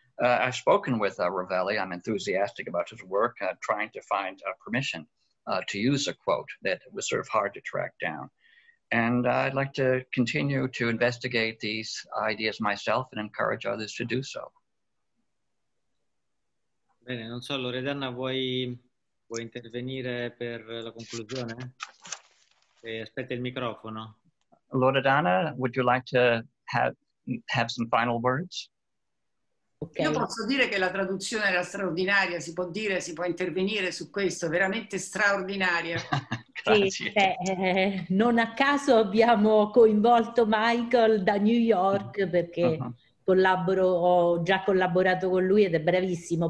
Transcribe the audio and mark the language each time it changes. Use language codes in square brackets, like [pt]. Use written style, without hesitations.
[en] I've spoken with Rovelli. I'm enthusiastic about his work, trying to find permission to use a quote that was sort of hard to track down. And I'd like to continue to investigate these ideas myself and encourage others to do so. [it] Bene, non so, Loredana, vuoi intervenire per la conclusione? Aspetta il microfono. [en] Loredana, would you like to have some final words? Okay. [it] Io posso dire che la traduzione era straordinaria, si può dire, si può intervenire su questo, veramente straordinaria. Sì, non a caso abbiamo coinvolto Michael da New York, perché collaboro, ho già collaborato con lui ed è bravissimo.